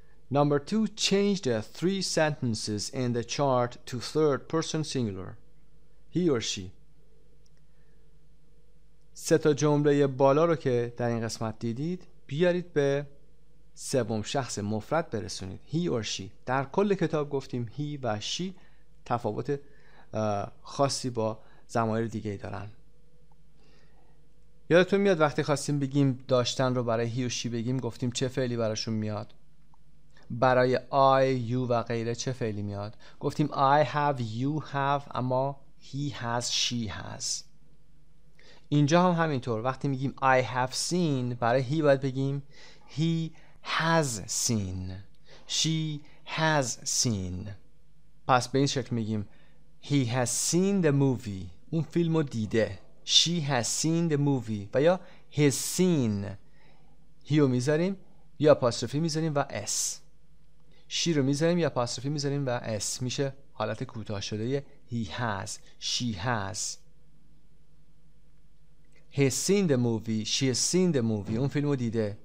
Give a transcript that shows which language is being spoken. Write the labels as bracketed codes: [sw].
[en] Number two, change the three sentences in the chart to third person singular. He or she. [fa] سه تا جمله بالا رو که در این قسمت دیدید بیارید به سوم شخص مفرد برسونید. [en] He or she. [fa] در کل کتاب گفتیم he و she تفاوت خاصی با ضمایر دیگه دارن. یادتون میاد وقتی خواستیم بگیم داشتن رو برای he و she بگیم گفتیم چه فعلی براشون میاد؟ برای I, you و غیره چه فعلی میاد؟ گفتیم [en] I have, you have، [fa] اما [en] he has, she has. [fa] اینجا هم همینطور وقتی میگیم [en] I have seen [fa] برای he باید بگیم [en] he has seen، she has seen. [fa] پس به این شکل میگیم [en] he has seen the movie، [fa] اون فیلمو دیده. [en] She has seen the movie. [fa] و یا [en] has seen. [fa] He رو میذاریم یا apostrophe میذاریم و s. She رو میذاریم یا apostrophe میذاریم و s. میشه حالت کوتاه شده یه he has، she has. [en] Has seen the movie. She has seen the movie. [fa] اون فیلمو دیده.